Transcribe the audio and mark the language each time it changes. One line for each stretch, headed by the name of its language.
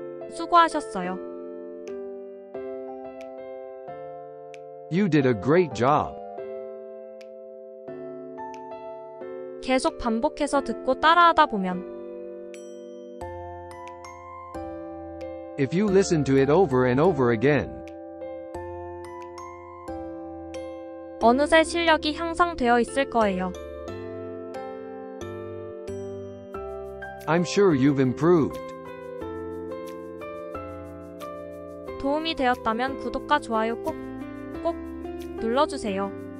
Korean: 수고하셨어요.
English: You did a great job.
Korean: 계속 반복해서 듣고 따라하다 보면
English: If you listen to it over and over again
Korean: 어느새 실력이 향상되어 있을 거예요.
English: I'm sure you've improved.
Korean: 도움이 되었다면 구독과 좋아요 꼭 눌러주세요.